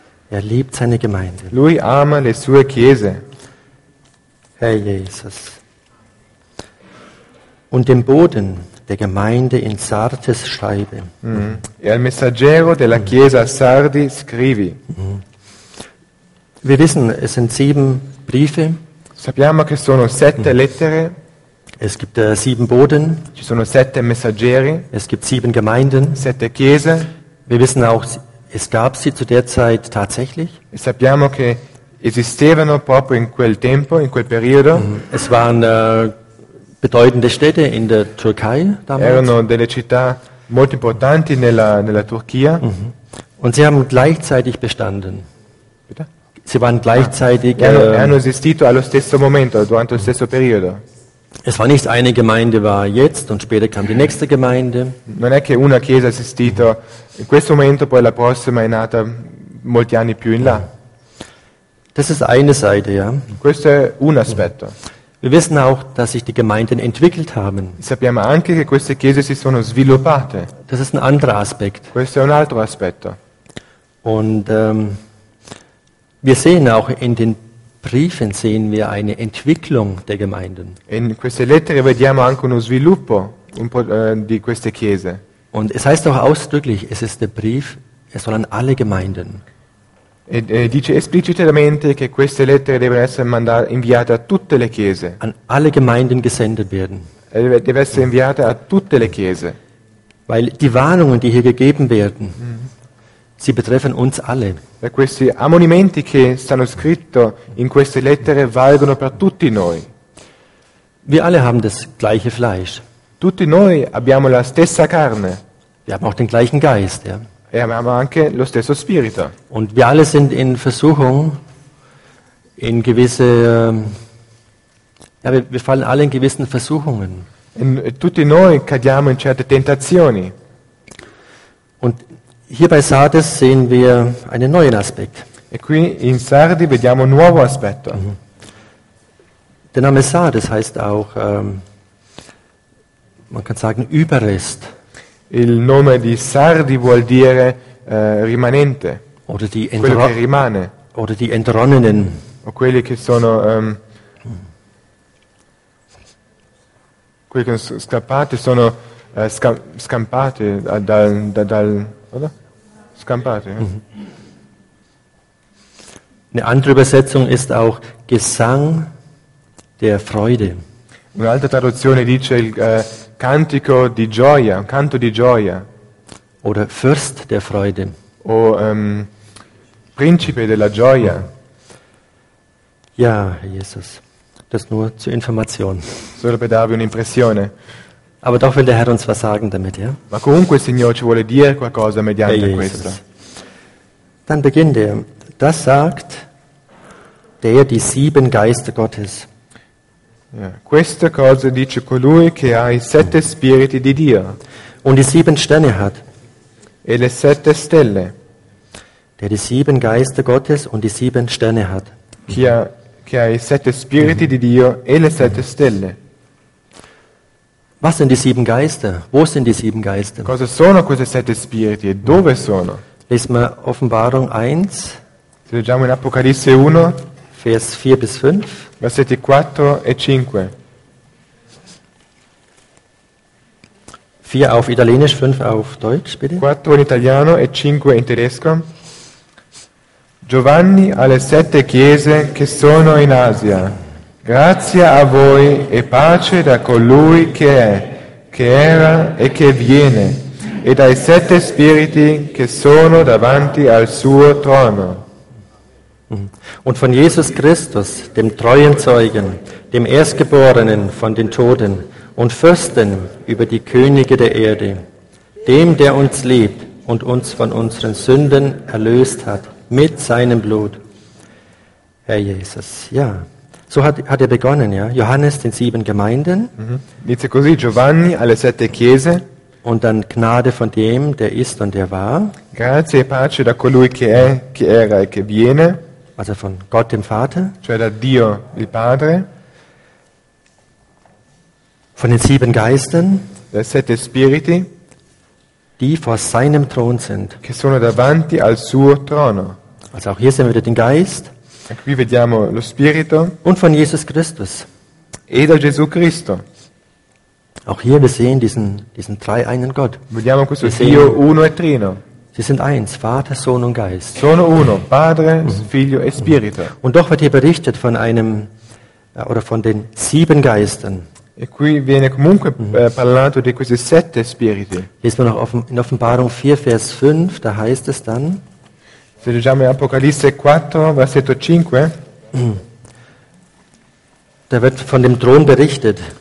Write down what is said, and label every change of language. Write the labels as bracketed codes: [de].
[de] Er liebt seine Gemeinde. [it] Lui ama le sue chiese. [de] Herr Jesus. Und den Boden der Gemeinde in Sardes schreibe. [it] E al messaggero della chiesa Sardi scrivi. [de] Wir wissen, es sind 7 Briefe. [it] Sappiamo che sono 7 lettere. [de] Es gibt 7 Boden. [it] Ci sono 7 messaggeri. [de] Es gibt 7 Gemeinden. [it] 7 chiese. [de] Wir wissen auch, es gab sie zu der Zeit tatsächlich. [it] E sappiamo che esistevano proprio in quel tempo, in quel periodo. [de] Es waren bedeutende Städte in der Türkei damals. [it] Erano delle città molto importanti nella Turchia. [de] Und sie haben gleichzeitig bestanden. Bitte? Sie waren gleichzeitig. [it] Erano esistito allo stesso momento, durante lo stesso periodo. [de] Es war nicht eine Gemeinde war jetzt und später kam die nächste Gemeinde. [it] Non è che una chiesa esistito in questo momento poi la prossima è nata molti anni più in là. [de] Das ist eine Seite, ja. [it] Questo è un aspetto. [de] Wir wissen auch, dass sich die Gemeinden entwickelt haben. [it] Sappiamo anche che queste chiese si sono sviluppate. [de] Das ist ein anderer Aspekt. [it] Questo è un altro aspetto. [de] Und wir sehen auch in den Briefen sehen wir eine Entwicklung der Gemeinden. [it] In queste lettere vediamo anche uno sviluppo di queste chiese. [de] Und es heißt auch ausdrücklich, es ist der Brief, es soll an alle Gemeinden. [it] E dice esplicitamente che queste lettere devono essere inviate a tutte le chiese. [de] An alle Gemeinden gesendet werden. [it] Deve essere inviate a tutte le chiese. [de] Weil die Warnungen, die hier gegeben werden, sie betreffen uns alle. [it] E questi ammonimenti che stanno scritti in queste lettere valgono per tutti noi. [de] Wir alle haben das gleiche Fleisch. [it] Tutti noi abbiamo la stessa carne. [de] Wir haben auch den gleichen Geist, ja. [it] E abbiamo anche lo stesso spirito. [de] Und wir alle sind in Versuchung, in gewisse, wir fallen alle in gewissen Versuchungen. [it] Tutti noi cadiamo in certe tentazioni. [de] Und hier bei Sardes sehen wir einen neuen Aspekt. [it] E qui in Sardi vediamo un nuovo aspetto. Mhm. [de] Der Name Sardes heißt auch, man kann sagen, Überrest. [it] Il nome di Sardi vuol dire rimanente, [de] oder die [it] quello che rimane, [de] oder die entronnenen. [it] O quelli che sono quelli che scappati sono scampati dal [de] oder? [it] Scampati. [de] Eine andere Übersetzung ist auch Gesang der Freude. [it] Un'altra traduzione dice il cantico di gioia, un canto di gioia. [de] Oder Fürst der Freude. [it] O principe della gioia. [de] Ja, Jesus. Das nur zur Information. [it] Solo per darvi un'impressione. [de] Aber doch will der Herr uns was sagen damit, ja? [it] Ma comunque il Signore ci vuole dire qualcosa mediante questo. [de] Dann beginnt er. Das sagt der die 7 Geister Gottes. [it] Questa cosa dice colui che ha i 7 spiriti di Dio. [de] Und die 7 Sterne hat. [it] E le 7 stelle. [de] Der die 7 Geister Gottes und die 7 Sterne hat. [it] Che ha i 7 spiriti di Dio e le 7 stelle. [de] Was sind die 7 Geister? Wo sind die 7 Geister? [it] Cosa sono queste 7 spiriti? Dove sono? [de] Lesen wir Offenbarung 1. [it] Leggiamo in Apocalisse 1. [de] Vers 4 bis 5. [it] Versetti 4 e 5. [de] 4 auf Italienisch, 5 auf Deutsch, bitte. [it] 4 in italiano e 5 in tedesco. Giovanni alle sette chiese che sono in Asia. Grazia a voi e pace da colui che è, che era e che viene, e dai sette spiriti che sono davanti al suo trono. [de] Und von Jesus Christus, dem treuen Zeugen, dem Erstgeborenen von den Toten und Fürsten über die Könige der Erde, dem, der uns liebt und uns von unseren Sünden erlöst hat mit seinem Blut. Herr Jesus, ja, so hat er begonnen, ja, Johannes den sieben Gemeinden. [it] Dice così Giovanni alle sette chiese. [de] Und dann Gnade von dem, der ist und der war. [it] Grazie e pace da colui che è, che era e che viene. [de] Also von Gott dem Vater. [it] Cioè da Dio il Padre. [de] Von den sieben Geistern. [it] Dai sette spiriti. [de] Die vor seinem Thron sind. [it] Che sono davanti al suo trono. [de] Also auch hier sehen wir wieder den Geist. [it] E qui vediamo lo spirito. [de] Und von Jesus Christus. [it] E da Gesù Cristo. [de] Auch hier wir sehen diesen dreieinen Gott. [it] Vediamo questo Dio uno e trino. [de] Sie sind eins, Vater, Sohn und Geist. [it] Sono uno, Padre, Figlio e Spirito. [de] Und doch wird hier berichtet von einem oder von den sieben Geistern. [it] E qui viene comunque parlato di questi sette spiriti. [de] Lesen wir noch in Offenbarung 4, Vers 5, da heißt es dann. [it] Se leggiamo in Apocalisse 4, versetto 5. [de] Da wird von dem Thron berichtet.